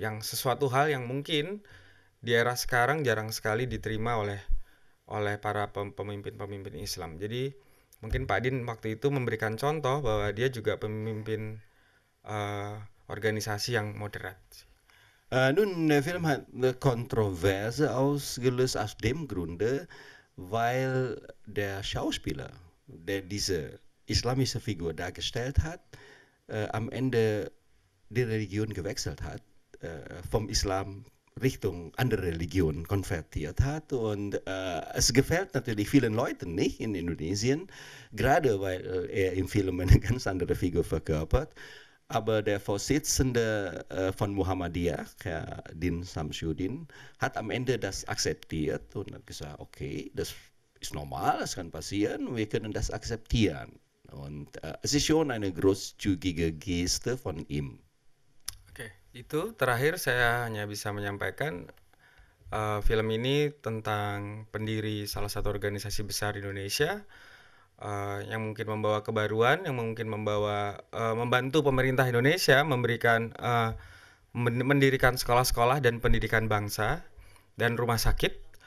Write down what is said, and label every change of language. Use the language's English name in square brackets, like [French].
[Indonesian] Yang sesuatu hal yang mungkin di era sekarang jarang sekali diterima oleh para pemimpin-pemimpin Islam. Jadi mungkin Pak Din waktu itu memberikan contoh bahwa dia juga pemimpin organisasi yang moderat. [German] Nun, der Film hat eine Kontroverse ausgelöst aus dem Grunde, weil der Schauspieler, der diese islamische Figur dargestellt hat, am Ende die Religion gewechselt hat, vom Islam Richtung andere Religionen konvertiert hat. Und es gefällt natürlich vielen Leuten nicht in Indonesien, gerade weil er im Film eine ganz andere Figur verkörpert. Aber der Vorsitzende von Muhammadiyah, Herr Din Samsudin, hat am Ende das akzeptiert und hat gesagt, okay, das ist normal, das kann passieren, wir können das akzeptieren. Und sie schon eine großzügige Geste von ihm. [Indonesian] Oke, itu terakhir saya hanya bisa menyampaikan film ini tentang pendiri salah satu organisasi besar Indonesia yang mungkin membawa kebaruan, yang mungkin membawa membantu pemerintah Indonesia memberikan mendirikan sekolah-sekolah dan pendidikan bangsa dan rumah sakit.